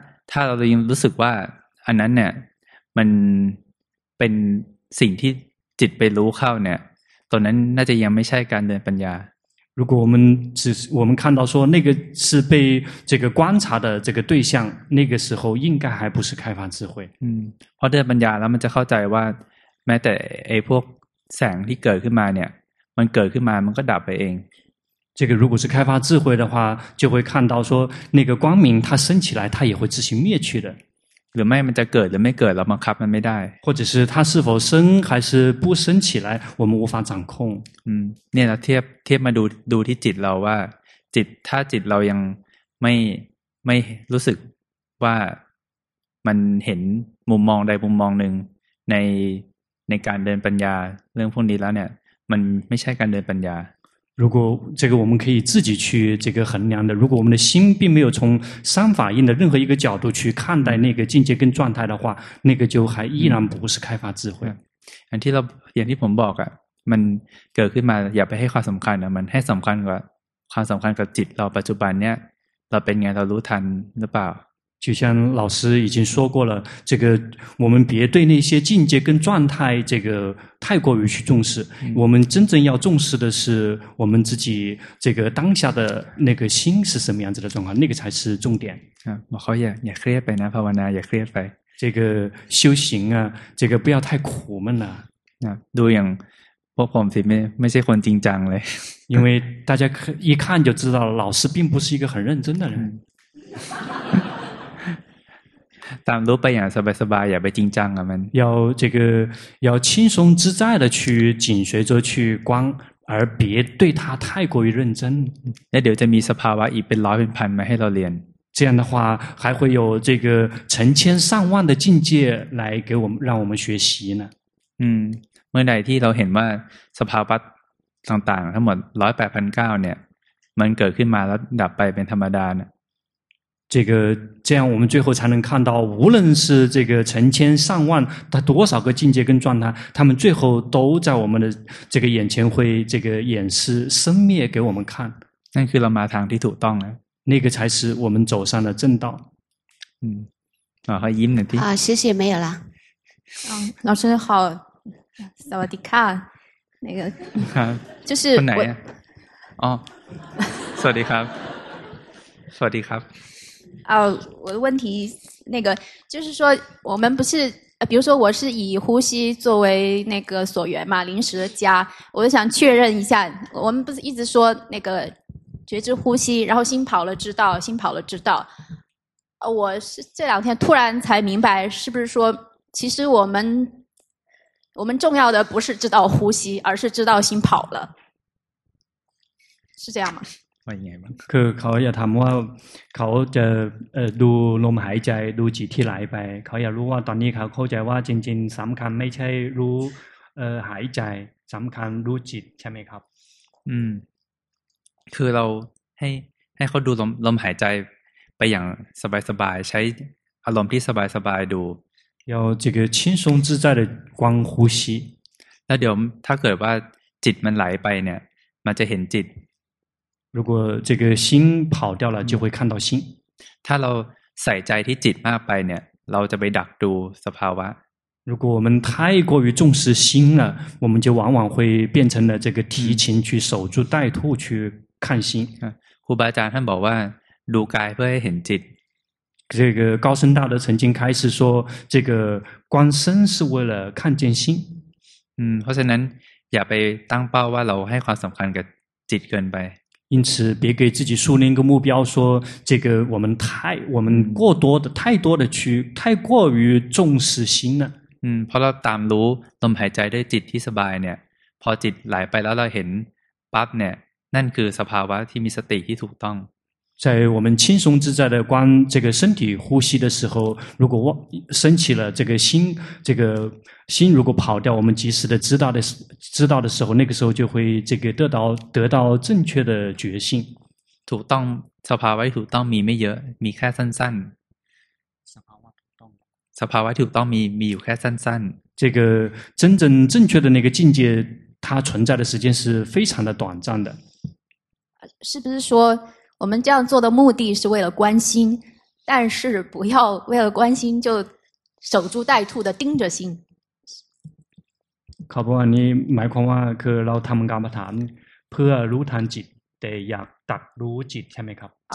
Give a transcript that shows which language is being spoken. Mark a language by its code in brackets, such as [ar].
[th] ถ้าเรายังรู้สึกว่าอันนั้นเนี่ยมันเป็นสิ่งที่จิตไปรู้เข้าเนี่ยตอนนั้นน่าจะยังไม่ใช่การเดินปัญญา [zh] 如果我们看到说那个是被这个观察的这个对象，那个时候应该还不是开发智慧。 [th] เพราะเดินปัญญาแล้วมันจะเข้าใจว่าแม้แต่ไอ้พวกแสงที่เกิดขึ้นมาเนี่ยมันเกิดขึ้นมามันก็ดับไปเอง [zh] 这个如果是开发智慧的话，就会看到说那个光明它升起来，它也会自行灭去的。 [th] หรือไม่มันจะเกิดหรือไม่เกิดเราบังคับมันไม่ได้ [zh] 或者是它是否升还是不升起来，我们无法掌控。 [th] เนี่ยเราเทียบมาดูที่จิตเราว่าจิตถ้าจิตเรายังไม่รู้สึกว่ามันเห็นมุมมองใดมุมมองหนึ่งในการเดินปัญญาเรื่องพวกนี้แล้วเนี่ยมันไม่ใช่การเดินปัญญา [zh] 如果这个我们可以自己去这个衡量的，如果我们的心并没有从三法印的任何一个角度去看待那个境界跟状态的话，那个就还依然不是开发智慧。 [th] อย่างที่ผมบอกอ่ะมันเกิดขึ้นมาอย่าไปให้ความสำคัญนะมันให้สำคัญกว่าความสำคัญกับจิตเราปัจจุบันเนี้ยเราเป็นไงเรารู้ทันหรือเปล่า [zh] 就像老师已经说过了，这个我们别对那些境界跟状态这个太过于去重视。我们真正要重视的是我们自己这个当下的那个心是什么样子的状况，那个才是重点。啊，好呀，也可以呗，哪怕我呢也可以呗。这个修行啊，这个不要太苦闷了。啊，都一样。我本身没是很紧张嘞，因为大家一看就知道老师并不是一个很认真的人。 [th] ตามรู้ไปอย่างสบายๆอย่าไปจริงจังกับมัน [zh] 要这个要轻松自在的去紧随着去观而别对它太过于认真 [th] 那เดี๋ยวจะมีสภาวะอีกเป็นร้อยเป็นพันมาให้เราเรียน [zh] 这样的话还会有这个成千上万的境界来给我们让我们学习呢 [th] เมื่อใดที่เราเห็นว่าสภาวะต่างๆทั้งหมด108,900เนี่ยมันเกิดขึ้นมาแล้วดับไปเป็นธรรมดาเนี่ย [zh] 这样我们最后才能看到，无论是这个成千上万，它多少个境界跟状态，他们最后都在我们的这个眼前会这个演示生灭给我们看。 [th] 那คือเรามาทางที่ถูกต้องแล้ว [zh] 那个才是我们走上的正道。 [th] 好，ยิ้มหน่อยที่ [zh] 好，谢谢，没有了。老师好， [th] สวัสดีค่ะ， [zh] 那个，就是 [th] คนไหนอ่ะ？ สวัสดีครับ，สวัสดีครับ [zh] 我的问题那个就是说我们不是比如说我是以呼吸作为那个所缘嘛临时的家我就想确认一下我们不是一直说那个觉知呼吸然后心跑了知道心跑了知道我是这两天突然才明白是不是说其实我们重要的不是知道呼吸而是知道心跑了是这样吗 [th] คือเขาอยากถามว่าเขาจะดูลมหายใจดูจิตที่ไหลไปเขาอยากรู้ว่าตอนนี้เขาเข้าใจว่าจริงๆสำคัญไม่ใช่รู้หายใจสำคัญรู้จิตใช่ไหมครับ คือเราให้เขาดูลมหายใจไปอย่างสบายๆใช้อารมณ์ที่สบายๆดู [zh] 要这个轻松自在的观呼吸 [th] แล้วเดี๋ยวถ้าเกิดว่าจิตมันไหลไปเนี่ยมันจะเห็นจิต [zh] 如果这个心跑掉了，就会看到心。 [th] ถ้าเราใส่ใจที่จิตมากไปเนี่ยเราจะไปดักดูสภาวะ [zh] 如果我们太过于重视心了，我们就往往会变成了这个提琴去守株待兔去看心。 [th] ครูบาอาจารย์ท่านบอกว่าดูกายเพื่อให้เห็นจิต [zh] 这个高僧大德曾经开始说，这个观身是为了看见心。 [th] 嗯，เพราะฉะนั้นอย่าไปตั้งเป้าว่าเราให้ความสำคัญกับจิตเกินไป [zh] 因此别给自己树立一个目标说这个我们过多的太多的去太过于重视心了 [th] 嗯เพราะเราตามรู้ลมหายใจด้วยจิตที่สบายเนี่ยพอจิตไหลไปแล้วเราเห็นปั๊บเนี่ยนั่นคือสภาวะที่มีสติที่ถูกต้อง [zh] 在我们轻松自在的观这个身体呼吸的时候如果升起了这个心这个心如果跑掉我们及时的知道的时候那个时候就会这个得到正确的觉性 [th] ถูกต้องสภาวะถูกต้องมีไม่เยอะมีแค่สั้นๆสภาวะถูกต้องมีอยู่แค่สั้น [zh] ๆ这个真正正确的那个境界它存在的时间是非常的短暂的是不是说我们这样做的目的是为了关心但是不要为了关心就守株待兔的盯着心 [th] ขอบอกว่านี้หมายความว่าคือเราทำกรรมฐานเพื่อรู้ทันจิตแต่อยากดักรู้จิตใช่ไหมครับ